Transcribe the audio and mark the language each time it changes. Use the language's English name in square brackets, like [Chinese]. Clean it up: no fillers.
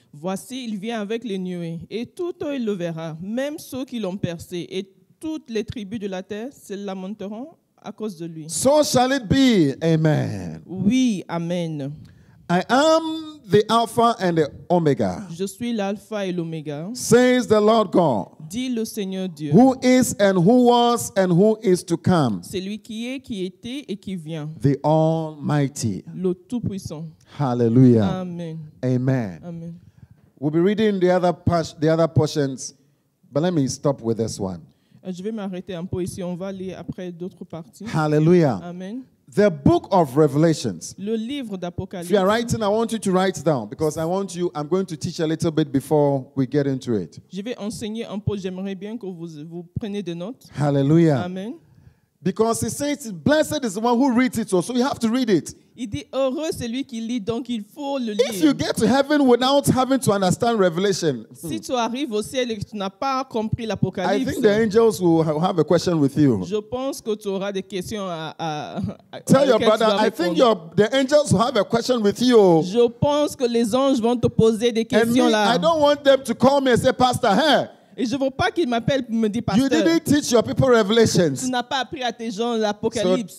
[French] Voici, il vient avec les nuées, et tout œil le verra, même ceux qui l'ont percé, et toutes les tribus de la terre se lamenteront à cause de lui. [English] So shall it be. Amen. [French] Oui, amen. [English] I am the Alpha and the Omega. [French] Je suis l'Alpha et l'Oméga. [English] Says the Lord God. [French] Dit le Seigneur Dieu. [English] Who is and who was and who is to come. [French] Celui qui est, qui était et qui vient. [English] The Almighty. [French] Le Tout-Puissant. [English] Hallelujah. Amen. Amen. Amen. We'll be reading the other portions, but let me stop with this one. [French] Je vais m'arrêter un peu ici. On va lire après d'autres parties. [English] Hallelujah. Amen. The book of Revelations. [French] Le livre d'Apocalypse. [English] If you are writing, I want you to write down because I want you. I'm going to teach a little bit before we get into it. [French] Je vais enseigner un peu. J'aimerais bien que vous preniez des notes. [English] Hallelujah. Amen. Because it says, "Blessed is the one who reads it." So you have to read it. [French] Il dit heureux celui qui lit, donc il faut le lire. [English] If you get to heaven without having to understand Revelation, [French] si tu arrives au ciel et que tu n'as pas compris l'Apocalypse, [English] I think the angels will have a question with you. [French] Je pense que tu auras des questions à [English] tell your brother. I think the angels will have a question with you. [French] Je pense que les anges vont te poser des questions là. [English] I don't want them to call me and say, "Pastor, hey." [French] Et je ne veux pas qu'il m'appelle pour me dire, pasteur. [English] You didn't teach your people Revelations. [French] Tu n'as pas appris à tes gens l'Apocalypse.